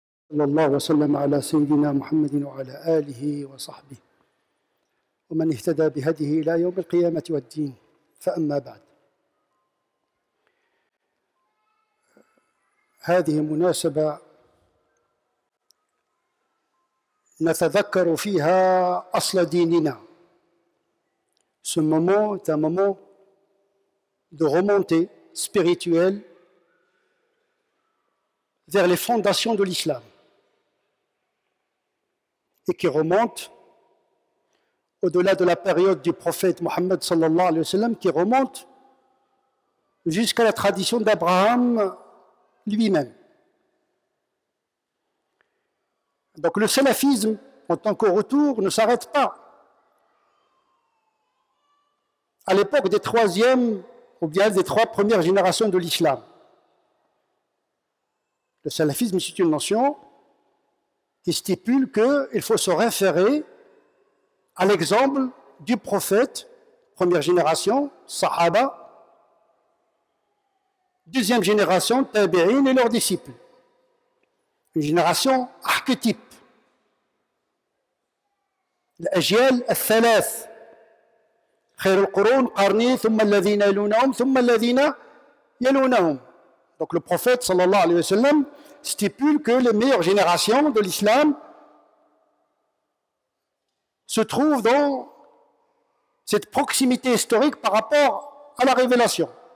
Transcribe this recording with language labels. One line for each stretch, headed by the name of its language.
Arabic: صلى الله وسلم على سيدنا محمد وعلى آله وصحبه ومن اهتدى بهديه إلى يوم القيامة والدين. فأما بعد، هذه مناسبة نتذكر فيها أصل ديننا.
French: Ce moment est un moment de remontée spirituelle vers les fondations de l'islam et qui remonte au-delà de la période du prophète Mohammed sallallahu alayhi wa sallam, qui remonte jusqu'à la tradition d'Abraham lui-même. Donc le salafisme, en tant que retour, ne s'arrête pas à l'époque des troisièmes ou bien des trois premières générations de l'islam. Le salafisme, c'est une notion qui stipule qu'il faut se référer à l'exemple du prophète, première génération, sahaba, deuxième génération, tabi'in, et leurs disciples. Une génération archétype. L'ajyal al-thalath.
Arabic: خير القرون قرني ثم الذين يلونهم ثم الذين يلونهم.
French: Donc le prophète sallallahu alayhi wa sallam stipule que les meilleures générations de l'islam se trouvent dans cette proximité historique par rapport à la révélation.